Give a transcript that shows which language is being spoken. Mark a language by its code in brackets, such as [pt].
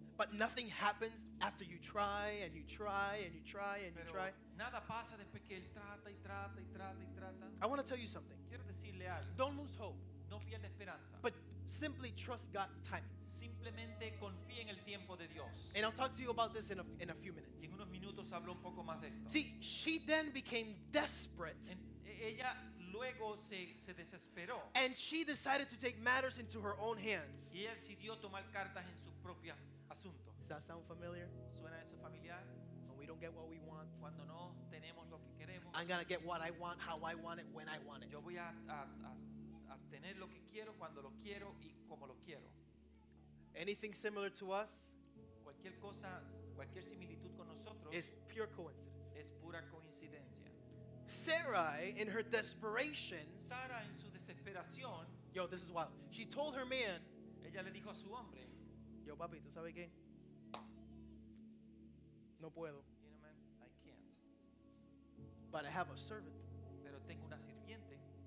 [en] but nothing happens after you try and you try and you try and [es] pero [en] you try. [es] Nada pasa después que él trata y trata y trata y trata. [en] I want to tell you something. [es] Quiero decirle algo. [en] Don't lose hope. [es] No pierda esperanza. [en] But simply trust God's timing. [es] Simplemente confía en el tiempo de Dios. [en] And I'll talk to you about this in a few minutes. [es] Y en unos minutos hablo un poco más de esto. [en] See, she then became desperate. [es] Ella luego se desesperó. [en] And she decided to take matters into her own hands. [es] Y ella decidió tomar cartas en su propio asunto. [en] Does that sound familiar? [es] ¿Suena eso familiar? [en] When we don't get what we want, [es] cuando no tenemos lo que queremos, [en] I'm gonna get what I want, how I want it, when I want it. [es] Yo voy a tener lo que quiero, cuando lo quiero y como lo quiero. [en] Anything similar to us? [es] Cualquier cosa, cualquier similitud con nosotros, [en] is pure coincidence. [es] Es pura coincidencia. [en] Sarai, in her desperation, [es] Sara en su desesperación, [en] yo, this is wild. She told her man, [es] ella le dijo a su hombre, yo, papi, ¿tú sabes qué? No puedo. [en] You know, man, I can't. But I have a servant. [es] Pero tengo una sirviente.